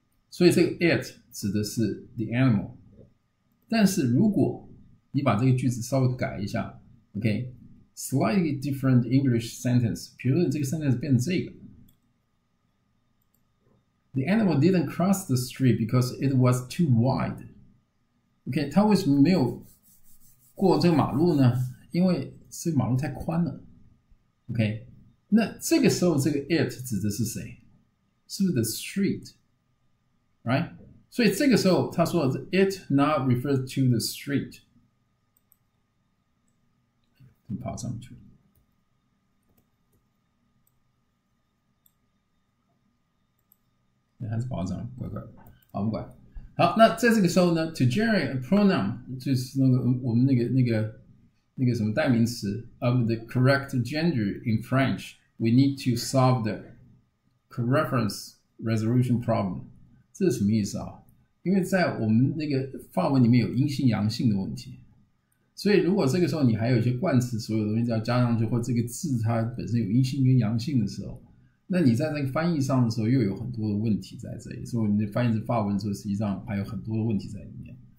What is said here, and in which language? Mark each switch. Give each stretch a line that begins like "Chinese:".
Chinese: 所以这个 it 指的是 the animal。但是如果你把这个句子稍微改一下
English: ，OK，slightly different English sentence，
Chinese: 比如说这个
English: sentence 变成这个 ，the animal didn't cross the street because it was too wide。
Chinese: OK， 它为什么没有？过这个马路呢，因为这个马路太宽了。 OK， 那这个时候这个 it 指的是谁？是不是 the street？ Right？ 所以这个时候他说
English: it not refers to the street。
Chinese: 你爬上去。还是爬上去，乖乖。好，不管。好，那在这个时候呢
English: ，to generate a pronoun
Chinese: 就是那个我们那个什么代名词
English: of the correct gender in French， we need to solve the coreference resolution problem。
Chinese: 这是什么意思啊？因为在我们那个法文里面有阴性阳性的问题，所以如果这个时候你还有一些冠词，所有东西要加上去，或这个字它本身有阴性跟阳性的时候。那你在那个翻译上的时候又有很多的问题在这里，所以你翻译成法文的时候实际上还有很多的问题在里面。